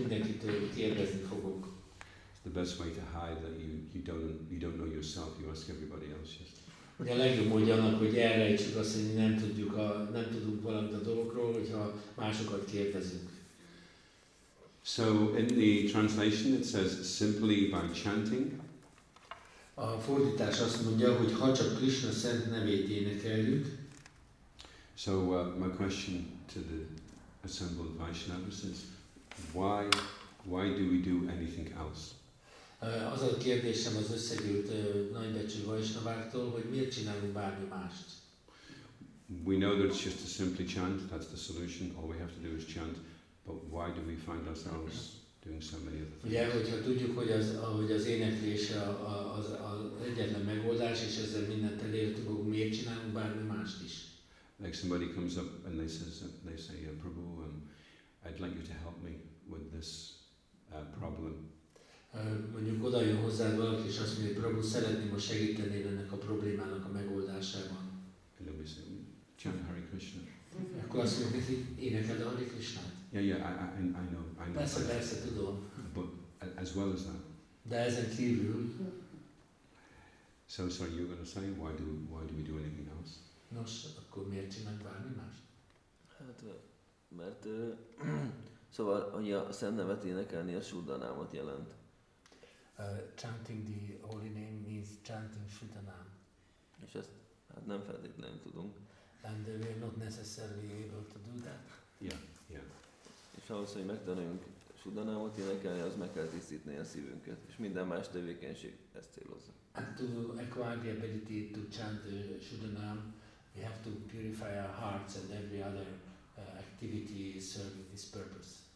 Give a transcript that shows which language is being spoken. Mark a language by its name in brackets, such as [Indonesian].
[English] It's the best way to hide that you don't know yourself, you ask everybody else. Just. [Hungarian] Ugye a legjobb módja annak, hogy elrejtsük azt, hogy nem tudunk valamit a dologról, hogyha másokat kérdezünk. [English] So in the translation it says simply by chanting. [Hungarian] A fordítás azt mondja, hogy ha csak Krishna szent nevét énekeljük. [English] So my question to the assembled Vaishnavas is, why do we do anything else? [Hungarian] Az a kérdésem az összegyűlt nagybecsű Vaishnaváktól, hogy miért csinálunk bármi mást? [English] We know that it's just to simply chant, that's the solution, all we have to do is chant, but why do we find ourselves doing so many other things? [Hungarian] Ugye, hogyha tudjuk, hogy az éneklés az egyetlen megoldás, és ezzel mindent elértük, akkor miért csinálunk bármi mást is? [English] Like somebody comes up and they say, yeah, Prabhu, I'd like you to help me with this problem. [Hungarian] Mondjuk oda jön hozzád valaki, és azt mondja, Prabhu, szeretném, hogy segítenél ennek a problémának a megoldásában. [English] And then we say, chant Hare Krishna. [Hungarian] Akkor azt mondjuk, hogy énekel a Hare Krishnát. [English] Yeah, I know. [Hungarian] Persze, tudom. [English] But as well as that. [Hungarian] De ezen kívül. [English] So sorry, you're going to say, why do we do anything else? [Hungarian] Nos, akkor miért csinálunk bármi mást? Hát, mert szóval, hogy a szent nevet énekelni a Shuddha Námot jelent. [English] Chanting the holy name means chanting Shuddha Nám. [Hungarian] És ezt hát nem feltétlenül tudunk. [English] And we are not necessarily able to do that. Yeah. [Hungarian] És ahhoz, hogy megtanuljunk Shuddha Námot énekelni, az meg kell tisztítani a szívünket, és minden más tevékenység ezt célozza. [English] And to acquire the ability to chant Shuddha Nám, we have to purify our hearts and every other activity is serving this purpose.